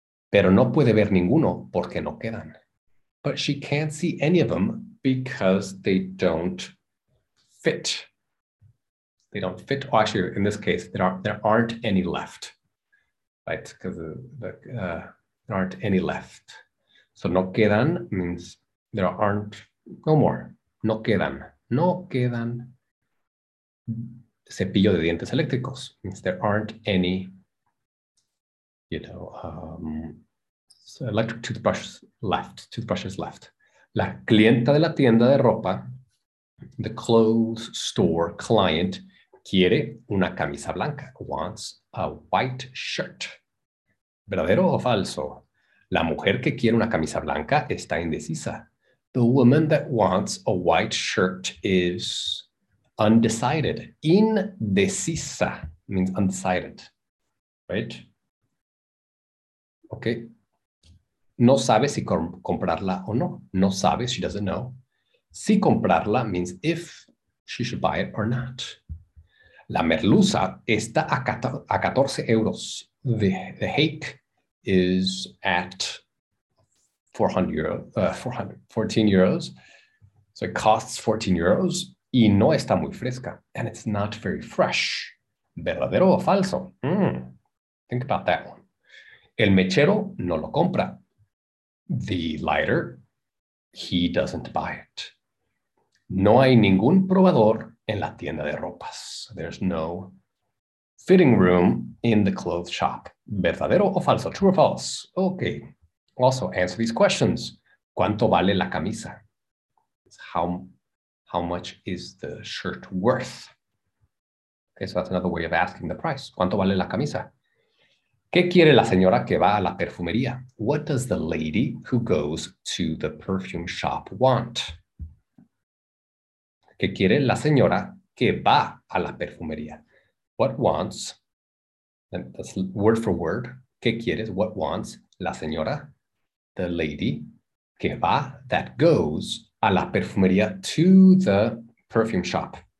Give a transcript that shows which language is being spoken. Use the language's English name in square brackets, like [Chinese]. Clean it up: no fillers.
[Spanish] Pero no puede ver ninguno porque no quedan. [English] But she can't see any of them because they don't fit. They don't fit. Oh, actually, in this case, there aren't any left, right? Because there aren't any left. So no quedan means there aren't, no more. [Spanish] No quedan. No quedan cepillo de dientes eléctricos. [English] Means there aren't any, electric toothbrushes left. Toothbrushes left. [Spanish] La clienta de la tienda de ropa, [English] the clothes store client, [Spanish] quiere una camisa blanca, [English] wants a white shirt. [Spanish] ¿Verdadero o falso? La mujer que quiere una camisa blanca está indecisa. [English] The woman that wants a white shirt is undecided. Indecisa means undecided, right? Okay. [Spanish] No sabe si comprarla o no. No sabe, [English] she doesn't know. Si comprarla means if she should buy it or not. [Spanish] La merluza está a 14 euros. [English] The hake is at 400 euros, 414 euros. So it costs 14 euros [Spanish] y no está muy fresca. [English] And it's not very fresh. [Spanish] ¿Verdadero o falso? [English] Think about that one. [Spanish] El mechero no lo compra. [English] The lighter, he doesn't buy it. [Spanish] No hay ningún probador en la tienda de ropas. [English] There's no fitting room in the clothes shop. [Spanish] ¿Verdadero o falso? [English] True or false? Okay. Also, answer these questions. [Spanish] ¿Cuánto vale la camisa? [English] How much is the shirt worth? Okay, so that's another way of asking the price. [Spanish] ¿Cuánto vale la camisa? ¿Qué quiere la señora que va a la perfumería? [English] What does the lady who goes to the perfume shop want? [Spanish] ¿Qué quiere la señora que va a la perfumería? [English] What wants, and that's word for word, [Spanish] ¿qué quieres? [English] What wants [Spanish] la señora, [English] the lady, [Spanish] que va, [English] that goes, [Spanish] a la perfumería, [English] to the perfume shop.